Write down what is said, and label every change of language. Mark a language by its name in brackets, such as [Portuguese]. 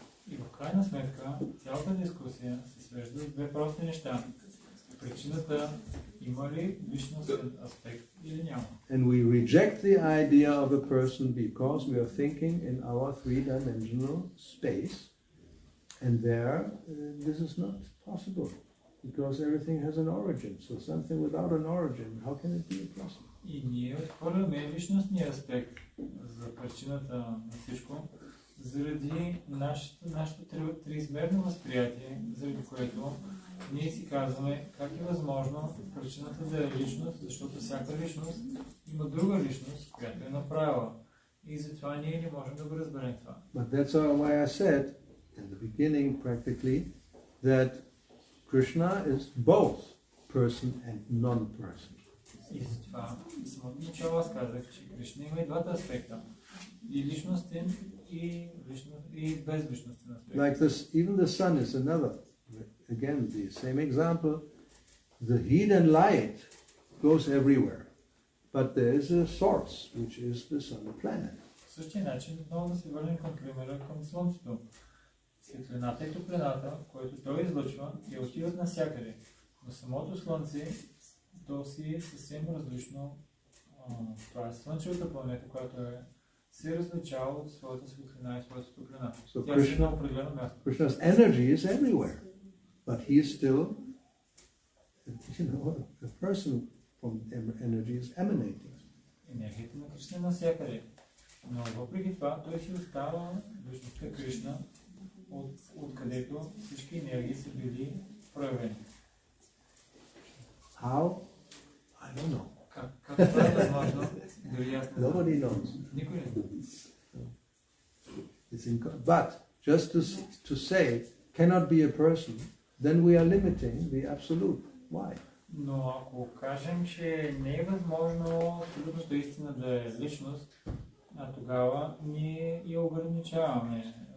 [Bulgarian] И в крайна сметка, цялата дискусия се свежда до две прости неща. Причината има ли личностен аспект или няма? [English] And we reject the idea of a person because we are thinking in our three-dimensional space, and there this is not possible. Because everything has an origin, so something without an origin, how can it be a person? [Bulgarian] И ние отхвърляме личностния аспект за причината на всичко, заради нашето триизмерно възприятие, заради което ние си казваме как е възможно причината да е личност, защото всяка личност има друга личност, която е направила. И затова ние не можем да го разберем това. [English] But that's why I said, in the beginning practically, that Krishna is both person and non-person. [Bulgarian] И затова съм от начало аз казах, че Кришна има и двата аспекта. И личностен, и безличностен аспект. [English] Like this, even the sun is another. Again, the same example. The heat and light goes everywhere. But there is a source, which is the sun, the planet. [Bulgarian] В същия начин, отново да се върнем към примера към слънцето. Светлината и топлината, което той излъчва, и отиват навсякъде. Но самото Слънце, то си е съвсем различно. Това е Слънчевата планета, която е се различава от своята светлина и своята топлина. So тя Krishna, е на определено място. [English] Krishna's energy is everywhere. But he is still, you know, a person from energy is emanating. [Bulgarian] Енергията на Кришна е навсякъде. Но въпреки това, той си остава личността Кришна, от където всички енергии са били проявени. [English] How? I don't know. [Bulgarian] Как това е възможно? Дори ясно. [English] Nobody knows. [Bulgarian] Никой не знае. [English] But just to say cannot be a person, then we are limiting the absolute. Why? [Bulgarian] Но ако кажем, че не е възможно абсолютната истина да е личност, а тогава ние я ограничаваме.